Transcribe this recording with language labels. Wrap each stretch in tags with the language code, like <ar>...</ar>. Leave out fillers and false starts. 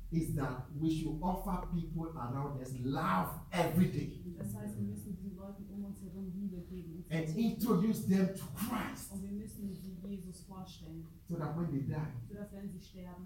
<en>is that we should offer people around us love every day.</en> <de>Das heißt, wir müssen den Leuten um uns herum Liebe geben.</de> <en>And introduce them to Christ.</en> <de>Und wir müssen sie Jesus vorstellen.</de> <en>So that when they die,</en> <de>so dass wenn sie sterben,</de>